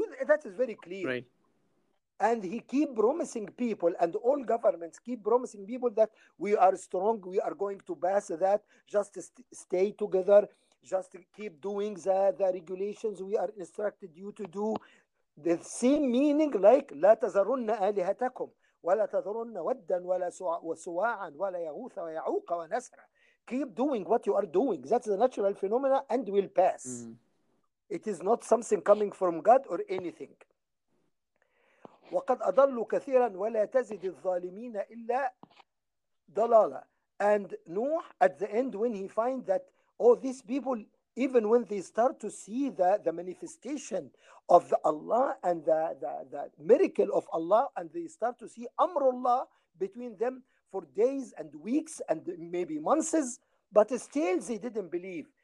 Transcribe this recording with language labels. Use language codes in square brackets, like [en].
[en] That is very clear. Right. And he keep promising people and all governments keep promising people that we are strong, we are going to pass that, just stay together, just keep doing the regulations we are instructed you to do. The same meaning like [ar] لا تذرن آلهتكم ولا تذرن ودا ولا سواعا ولا يغوث ويعوق ونسرا. [en] Keep doing what you are doing. That's a natural phenomena and will pass. Mm. It is not something coming from God or anything. [ar] وقد أضلوا كثيرا ولا تزد الظالمين إلا ضلالا. [en] And Nuh at the end when he find that all these people, even when they start to see the manifestation of Allah and the miracle of Allah, and they start to see Amrullah between them for days and weeks and maybe months, but still they didn't believe.